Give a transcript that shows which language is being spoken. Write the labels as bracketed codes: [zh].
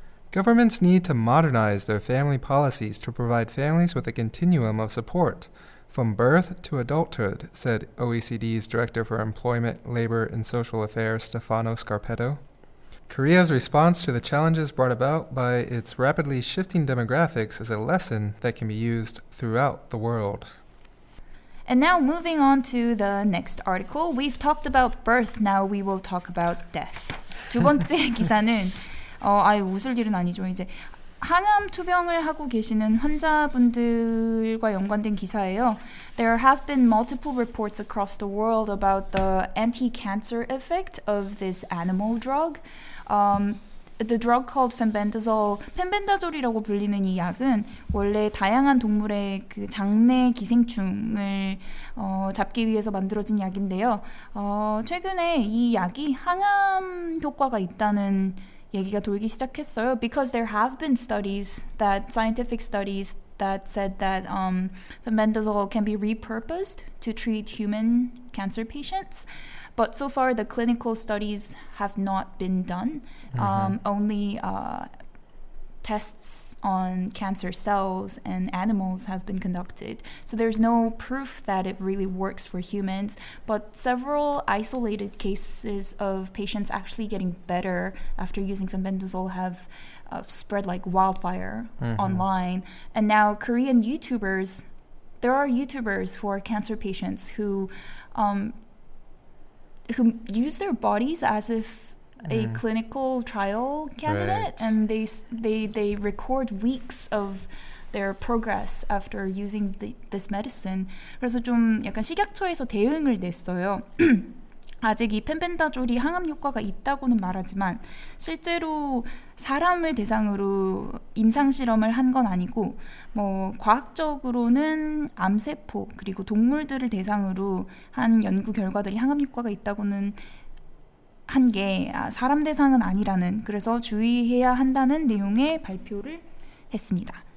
[en] Governments need to modernize their family policies to provide families with a continuum of support, from birth to adulthood, said OECD's Director for Employment, Labor, and Social Affairs, Stefano Scarpetto. Korea's response to the challenges brought about by its rapidly shifting demographics is a lesson that can be used throughout the world. And now moving on to the next article. We've talked about birth, now we will talk about death. [ko] 두 번째 기사는, 웃을 일은 아니죠, 이제. 항암 투병을 하고 계시는 환자분들과 연관된 기사예요. [en] There have been multiple reports across the world about the anti-cancer effect of this animal drug. The drug called 펜벤다졸. [ko] 펜벤다졸이라고 불리는 이 약은 원래 다양한 동물의 그 장내 기생충을 잡기 위해서 만들어진 약인데요. 최근에 이 약이 항암 효과가 있다는 얘기가 돌기 시작했어요. [en] Because there have been scientific studies that said that pembendazole can be repurposed to treat human cancer patients. But so far, the clinical studies have not been done. Mm-hmm. Only tests on cancer cells and animals have been conducted. So there's no proof that it really works for humans, but several isolated cases of patients actually getting better after using pembendazole have spread like wildfire mm-hmm. online. And now Korean YouTubers, there are YouTubers who are cancer patients who use their bodies as if a mm-hmm. clinical trial candidate. Right. And they record weeks of their progress after using this medicine. [ko] 그래서 좀 약간 식약처에서 대응을 냈어요. 아직 이 펜벤다졸이 항암 효과가 있다고는 말하지만 실제로 사람을 대상으로 임상 실험을 한 건 아니고 뭐 과학적으로는 암세포 그리고 동물들을 대상으로 한 연구 결과들이 항암 효과가 있다고는 한 게 사람 대상은 아니라는 그래서 주의해야 한다는 내용의 발표를 했습니다.